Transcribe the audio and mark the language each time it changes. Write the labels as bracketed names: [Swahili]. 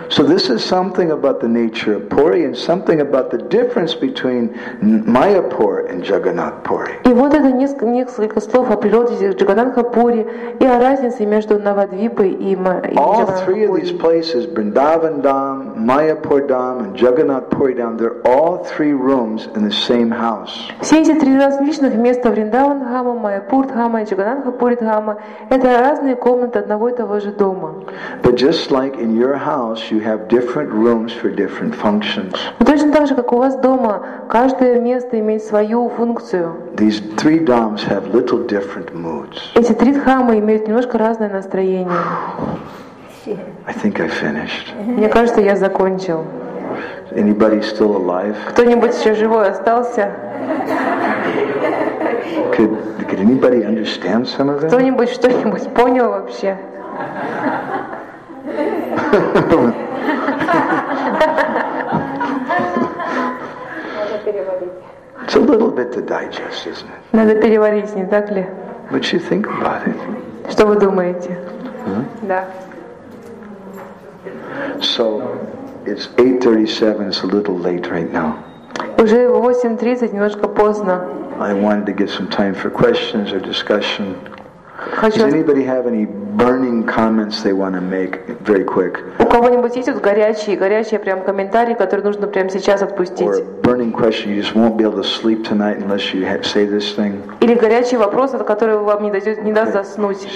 [English] So this is something about the nature of Puri and something about the difference between Mayapur and Jagannath Puri. [Russian] И вот это несколько слов о природе Джаганнатха Пури и о разнице между Навадвипой и Джаганнатхапури. [English] All three of these places, Vrindavan Dham, Mayapur Dham, and Jagannath Puri Dham, they're all three rooms in the same house. [Russian] Все эти три различных места Vrindavan Dham, Mayapur Dham, и Джаганнатха Пури Дхама. Это разные комнаты одного и того же дома. [English] But just like in your house, you have different rooms for different functions. [Russian] Точно так же, как у вас дома, каждое место имеет свою функцию. [English] These three dhams have little different moods. [Russian] Эти три дхамы имеют немножко разное настроение. [English] I think I finished. [Russian] Мне кажется, я закончил. [English] Anybody still alive? [Russian] Кто-нибудь еще живой остался? [English] Could anybody understand some of them? [Russian] Кто-нибудь что-нибудь понял вообще? [English] It's a little bit to digest, isn't it? [Russian] Надо переварить, не так ли? [English] What you think about it? [Russian] Что вы думаете? Да. [English] So it's 8:37. It's a little late right now. [Russian] Уже 8:30, немножко поздно. [English] I wanted to get some time for questions or discussion. Does anybody have any burning comments they want to make very quick? [Russian] У кого-нибудь есть горячие прям комментарии, которые нужно прямо сейчас отпустить? [English] Or a burning question, you just won't be able to sleep tonight unless you say this thing. [Russian] Или горячий вопрос, от которого вам не даст заснуть.